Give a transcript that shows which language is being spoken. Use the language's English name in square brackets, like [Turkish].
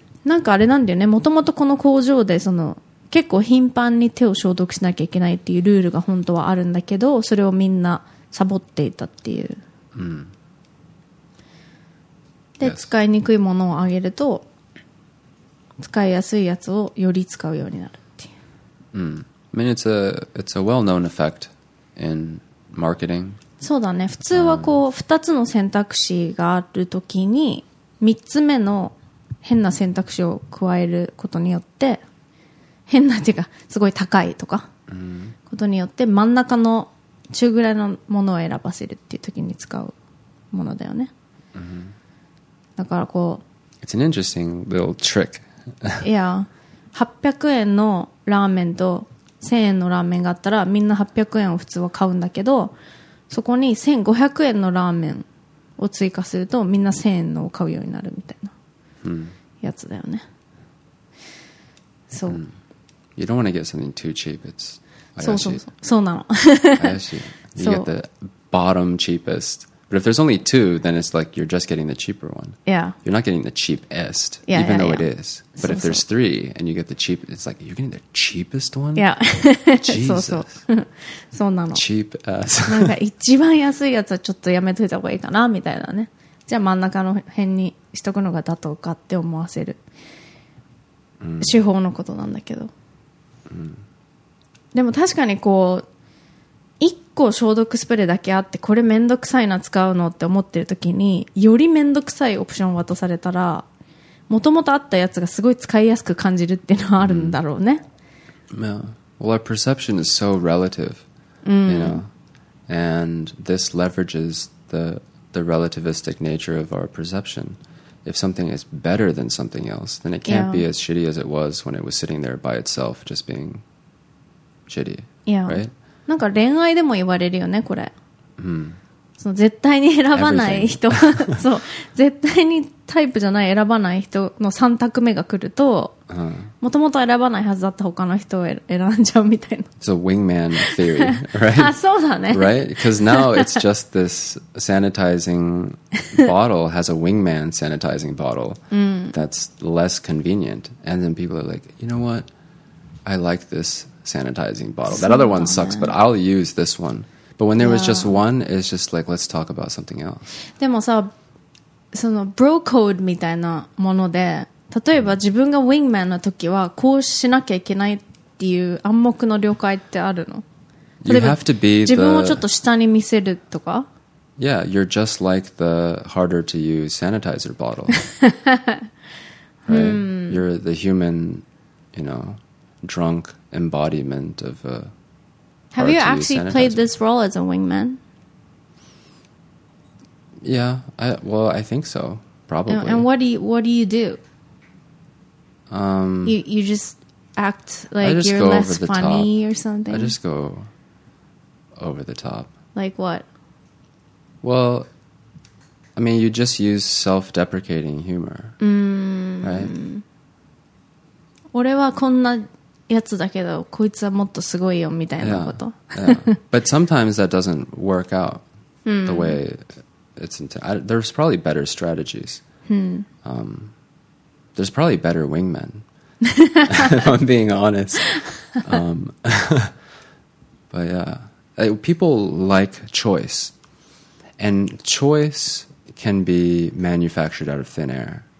[Japanese] なんかあれなんだよね、もともとこの工場でその結構頻繁に手を消毒しなきゃいけないっていうルールが本当はあるんだけど、それをみんなサボっていたっていう、うん、で、yes. 使いにくいものをあげると使いやすいやつをより使うようになるっていう、 [English] うん、I mean, it's a well-known effect in marketing. [Japanese] そうだね、普通はこう2つの選択肢があるときに3つ目の変な選択肢を加えることによって、変なっていうかすごい高いとかことによって真ん中の中ぐらいのものを選ばせるっていう時に使うものだよね、 mm-hmm. だからこう [English] It's an interesting little trick. [Japanese] Yeah, 800円のラーメンと1000円のラーメンがあったら、みんな800円を普通は買うんだけど、そこに1500円のラーメンを追加するとみんな1000円のを買うようになるみたいなやつだよね、そう、mm-hmm. [English] You don't want to get something too cheap. It's [Japanese] 怪しい。そうそうそう。そうなの。怪しい。 [English] You get the bottom cheapest. But if there's only two, then it's like you're just getting the cheaper one. Yeah. You're not getting the cheapest, yeah, even yeah, though yeah. it is. But so, if there's three and you get the cheapest, it's like you're getting the cheapest one? Yeah. Jesus. [Japanese] そうそう。そうなの。 [English] Cheap ass. [Japanese] なんか一番安いやつはちょっとやめといた方がいいかな、みたいなね。じゃあ真ん中の辺にしとくのが妥当かって思わせる、 mm. 手法のことなんだけど。うん、でも確かにこう1個消毒スプレーだけあって、これめんどくさいな使うのって思ってる時に、よりめんどくさいオプションを渡されたら、もともとあったやつがすごい使いやすく感じるっていうのはあるんだろうね、 [English] うん、yeah. Well, our perception is so relative、うん、you know? And this leverages the relativistic nature of our perceptionIf something is better than something else, then it can't、yeah. be as shitty as it was when it was sitting there by itself, just being shitty. Yeah. Right? [Japanese] なんか恋愛でも言われるよね、これ。うん。その絶対に選ばない人、そう、絶対にタイプじゃない選ばない人の3択目が来ると、もともと選ばないはずだった他の人を選んじゃうみたいな。 [English] It's a wingman theory, right? [Japanese] あ、そうだね。 [English] Right? Because now it's just this sanitizing bottle has a wingman sanitizing bottle that's less convenient. And then people are like, you know what? I like this sanitizing bottle. That other one sucks, but I'll use this one. But when there was just one, it's just like, let's talk about something else. [Japanese] でもさ、そのブロコードみたいなもので、例えば自分がウィングマンの時はこうしなきゃいけないっていう暗黙の了解ってあるの？ [English] You have to be [Japanese] 自分をちょっと下に見せるとか？ [English] Yeah, you're just like the harder to use sanitizer bottle. Right? Mm. You're the human, you know, drunk embodiment of a Have you actually、sanitizer. Played this role as a wingman? Yeah, I think so, probably. And what do you do? You just act like just you're less funny or something? I just go over the top. Like what? Well, I mean, you just use self-deprecating humor,、 mm. right? [Japanese] 俺はこんなやつだけど、こいつはもっとすごいよみたいなこと。 [English] Yeah, yeah. But sometimes that doesn't work out the way it's intended. There's probably better strategies. There's probably better wingmen. if I'm being honest. but yeah, people like choice, and choice can be manufactured out of thin air.